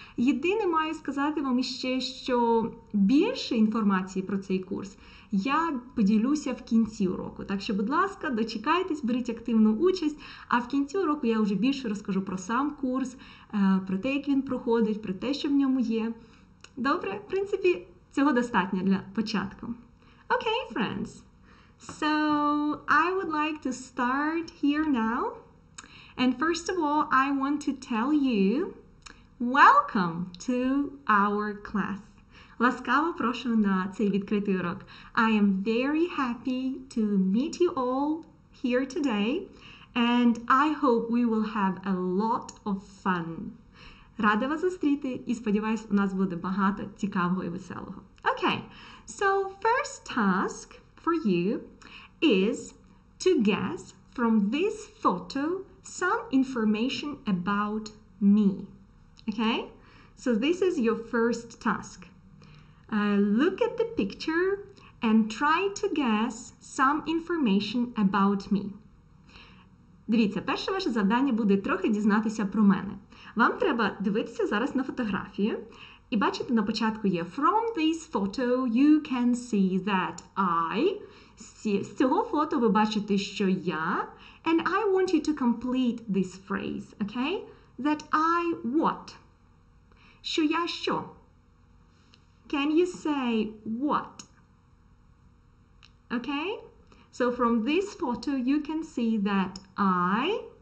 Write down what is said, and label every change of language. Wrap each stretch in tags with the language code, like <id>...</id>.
<uk>Єдине маю сказати вам іще, що більше інформації про цей курс я поділюся в кінці уроку. Так що, будь ласка, дочекайтесь, беріть активну участь, а в кінці уроку я вже більше розкажу про сам курс, про те, як він проходить, про те, що в ньому є. Добре? В принципі, цього достатньо для початку.</uk> <en>Окей, friends! So, I would like to start here now. And first of all, I want to tell you, welcome to our class.</en> <uk>Ласкаво прошу на цей відкритий урок.</uk> <en>I am very happy to meet you all here today. And I hope we will have a lot of fun.</en> <uk>Рада вас зустріти і сподіваюсь, у нас буде багато цікавого і веселого.</uk> <en>Okay, so first task for you is to guess from this photo some information about me. Okay? So this is your first task. Look at the picture and try to guess some information about me.</en> <uk>Дивіться, перше ваше завдання буде трохи дізнатися про мене. Вам треба дивитися зараз на фотографію. І бачите, на початку є</uk> <en>«From this photo you can see that I».</en> <uk>З цього фото ви бачите, що я.</uk> <en>And I want you to complete this phrase, okay? That I what?</en> <uk>Що я що?</uk> <en>Can you say what? Okay? So from this photo you can see that I...</en>